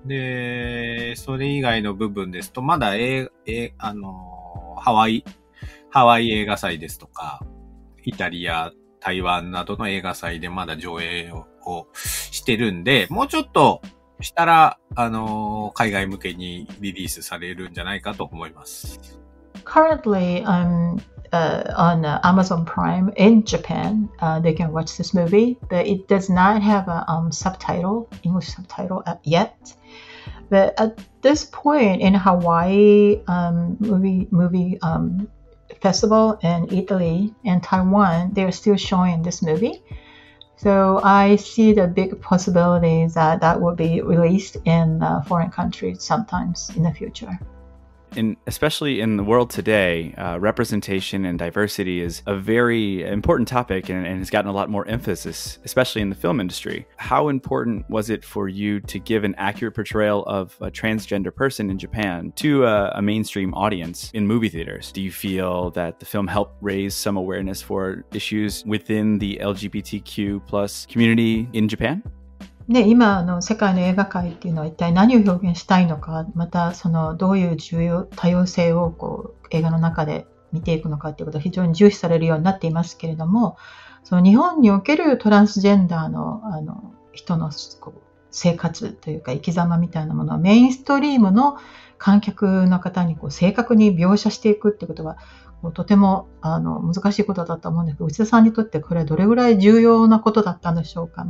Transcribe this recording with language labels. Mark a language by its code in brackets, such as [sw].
[ja] で、それ以外の部分ですとまだハワイ映画祭ですとかイタリア台湾などの映画祭でまだ上映をしてるんで、もうちょっとしたら海外向けにリリースされるんじゃないかと思います。 [en] Currently on Amazon Prime in Japan, they can watch this movie, but it does not have a subtitle, English subtitle yet. But at this point in Hawaii movie festival and Italy and Taiwan, they are still showing this movie. So I see the big possibilities that will be released in foreign countries sometimes in the future. In, especially in the world today, representation and diversity is a very important topic and has gotten a lot more emphasis, especially in the film industry. How important was it for you to give an accurate portrayal of a transgender person in Japan to a mainstream audience in movie theaters? Do you feel that the film helped raise some awareness for issues within the LGBTQ plus community in Japan? [ja] ね、今の世界の映画界っていうのは一体何を表現したいのか、またそのどういう多様性をこう映画の中で見ていくのかっていうことが非常に重視されるようになっていますけれども、その日本におけるトランスジェンダー の人のこう生活というか生き様みたいなものをメインストリームの観客の方にこう正確に描写していくっていうことはとても難しいことだったと思うんですけど、内田さんにとってこれはどれぐらい重要なことだったんでしょうか。